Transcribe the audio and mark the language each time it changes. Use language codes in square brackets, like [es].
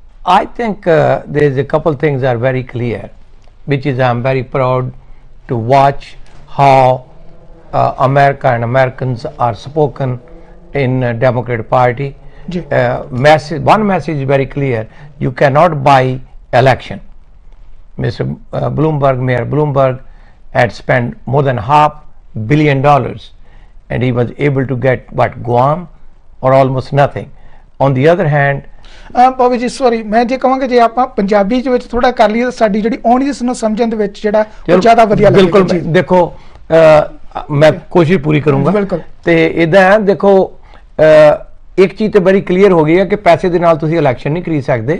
[en] I think there is a couple things are very clear which is I am very proud to watch how America and Americans are spoken in Democrat party. Message, one message is very clear, you can not buy election. Mister Bloomberg, mayor Bloomberg, had spend more than half billion dollars and he was able to get what, Guam or almost nothing. On the other hand, [pa] Baba ji sorry, ਮੈਂ ਜੇ ਕਹਾਂਗਾ ਜੇ ਆਪਾਂ ਪੰਜਾਬੀ ਵਿੱਚ ਥੋੜਾ ਕਰ ਲਈਏ ਤਾਂ ਸਾਡੀ ਜਿਹੜੀ ਆਡੀਅੰਸ ਨੂੰ ਸਮਝਣ ਦੇ ਵਿੱਚ ਜਿਹੜਾ ਉਹ ਜ਼ਿਆਦਾ ਵਧੀਆ ਲੱਗੇ। ਬਿਲਕੁਲ, ਦੇਖੋ ਮੈਂ ਕੋਸ਼ਿਸ਼ ਪੂਰੀ ਕਰੂੰਗਾ। ਬਿਲਕੁਲ, ਤੇ ਇਦਾਂ ਦੇਖੋ, ਇੱਕ ਚੀਜ਼ ਤੇ ਬੜੀ ਕਲੀਅਰ ਹੋ ਗਈ ਹੈ ਕਿ ਪੈਸੇ ਦੇ ਨਾਲ ਤੁਸੀਂ ਇਲੈਕਸ਼ਨ ਨਹੀਂ ਖਰੀਦ ਸਕਦੇ